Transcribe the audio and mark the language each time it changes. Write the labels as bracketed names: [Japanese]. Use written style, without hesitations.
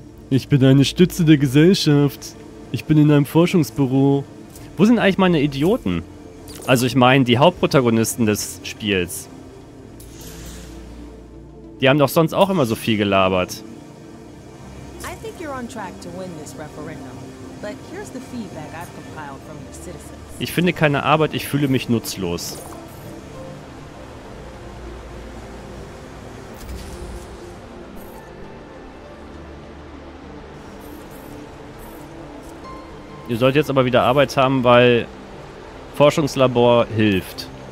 [German] Ich bin eine Stütze der Gesellschaft. Ich bin in einem Forschungsbüro. Wo sind eigentlich meine Idioten? Also ich meine die Hauptprotagonisten des Spiels. Die haben doch sonst auch immer so viel gelabert. [English] I think you're on track to win this referendum, but here's the feedback I've compiled from the citizens. [German] Ich finde keine Arbeit, ich fühle mich nutzlos. Ihr sollt jetzt aber wieder Arbeit haben, weil Forschungslabor hilft.